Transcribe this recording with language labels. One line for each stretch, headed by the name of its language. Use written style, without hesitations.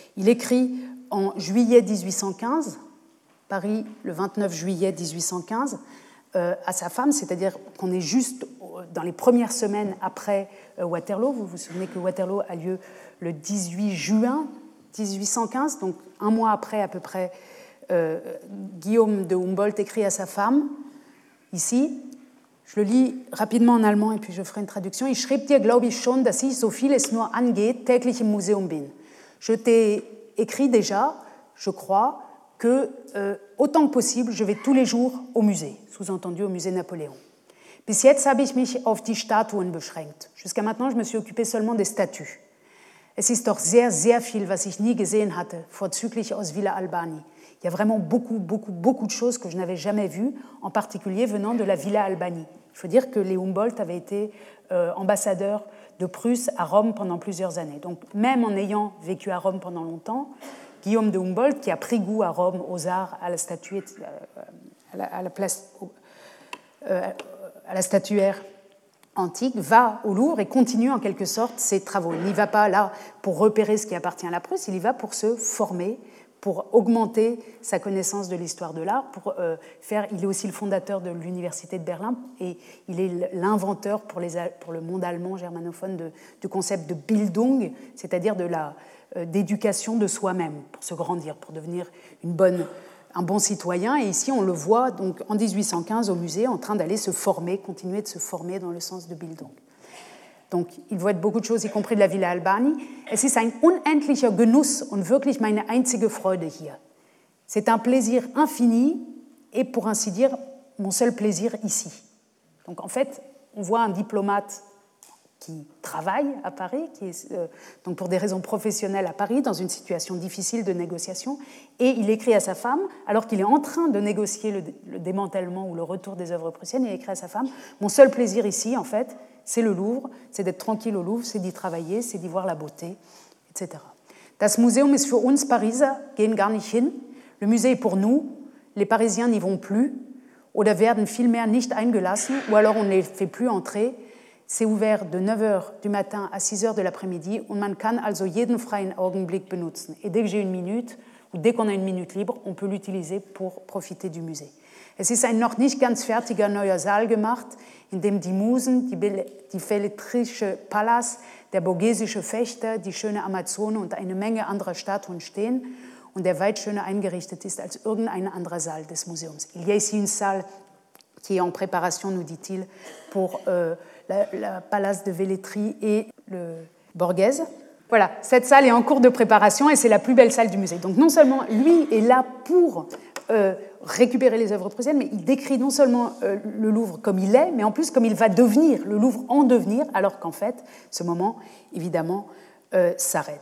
French: Il écrit en juillet 1815, Paris, le 29 juillet 1815, à sa femme, c'est-à-dire qu'on est juste dans les premières semaines après Waterloo. Vous vous souvenez que Waterloo a lieu le 18 juin 1815, donc un mois après à peu près. Guillaume de Humboldt écrit à sa femme, ici, je le lis rapidement en allemand et puis je ferai une traduction.
German: Ich schrieb dir, glaube ich, schon, dass ich, so viel es nur angeht, täglich im Museum bin.
French: Je t'ai écrit déjà, je crois, que autant que possible, je vais tous les jours au musée, sous-entendu au musée Napoléon.
German: Bis jetzt habe ich mich auf die Statuen beschränkt.
French: Jusqu'à maintenant, je me suis occupé seulement des statues.
German: Es ist doch sehr, sehr viel, was ich nie gesehen hatte, vorzüglich aus Villa Albani.
French: Il y a vraiment beaucoup, beaucoup, beaucoup de choses que je n'avais jamais vues, en particulier venant de la Villa Albani. Il faut dire que les Humboldt avaient été ambassadeurs de Prusse à Rome pendant plusieurs années. Donc, même en ayant vécu à Rome pendant longtemps, Guillaume de Humboldt, qui a pris goût à Rome, aux arts, à la statue, à la statuaire antique, va au Louvre et continue en quelque sorte ses travaux. Il n'y va pas là pour repérer ce qui appartient à la Prusse, il y va pour se former, pour augmenter sa connaissance de l'histoire de l'art, pour faire. Il est aussi le fondateur de l'Université de Berlin et il est l'inventeur pour le monde allemand germanophone du concept de Bildung, c'est-à-dire de la d'éducation de soi-même pour se grandir, pour devenir un bon citoyen. Et ici, on le voit donc en 1815 au musée, en train d'aller se former, continuer de se former dans le sens de Bildung. Donc, il voit beaucoup de choses, y compris de la Villa Albani.
German: Es ist ein unendlicher Genuss und wirklich meine einzige Freude hier.
French: C'est un plaisir infini et, pour ainsi dire, mon seul plaisir ici. Donc, en fait, on voit un diplomate qui travaille à Paris, qui est donc pour des raisons professionnelles à Paris, dans une situation difficile de négociation, et il écrit à sa femme, alors qu'il est en train de négocier le démantèlement ou le retour des œuvres prussiennes, il écrit à sa femme, mon seul plaisir ici, en fait, c'est le Louvre, c'est d'être tranquille au Louvre, c'est d'y travailler, c'est d'y voir la beauté, etc.
German: Das Museum ist für uns Pariser, gehen gar nicht hin.
French: Le musée est pour nous, les Parisiens n'y vont plus,
German: oder werden vielmehr nicht eingelassen,
French: ou alors on ne les fait plus entrer. C'est ouvert de 9h du matin à 6h de l'après-midi,
German: und man kann also jeden freien Augenblick benutzen.
French: Et dès que j'ai une minute, ou dès qu'on a une minute libre, on peut l'utiliser pour profiter du musée.
German: Es ist ein noch nicht ganz fertiger neuer Saal gemacht, in dem die Musen, die Belletrische Palace, der Borghesische Fechter, die schöne Amazone und eine Menge anderer Statuen stehen und der weit schöner eingerichtet ist als irgendein anderer Saal des Museums.
French: Il y a ici une salle qui est en préparation, nous dit-il, pour la Palace de Velletri et le Borghese. Voilà, cette salle est en cours de préparation et c'est la plus belle salle du musée. Donc non seulement lui est là pour récupérer les œuvres prussiennes, mais il décrit non seulement le Louvre comme il est, mais en plus comme il va devenir, le Louvre en devenir, alors qu'en fait, ce moment, évidemment, s'arrête.